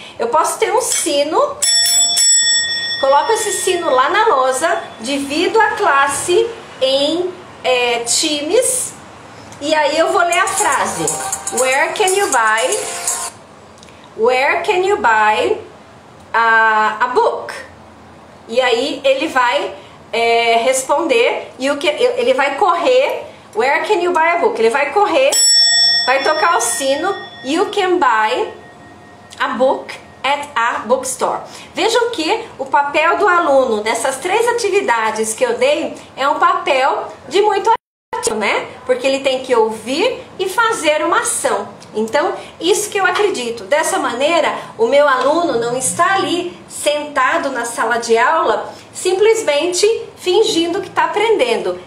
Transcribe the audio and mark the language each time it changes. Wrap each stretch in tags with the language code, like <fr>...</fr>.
<pt>Eu posso ter um sino. Coloco esse sino lá na lousa, divido a classe em times e aí eu vou ler a frase.</pt> <en>Where can you buy a book?</en> <pt>E aí ele vai responder, ele vai correr.</pt> <en>Where can you buy a book?</en> <pt>Ele vai correr, vai tocar o sino.</pt> <en>You can buy a book at a bookstore.</en> <pt>Vejam que o papel do aluno nessas três atividades que eu dei é um papel de muito ativo, né? Porque ele tem que ouvir e fazer uma ação. Então, isso que eu acredito. Dessa maneira, o meu aluno não está ali sentado na sala de aula simplesmente fingindo que está aprendendo.</pt>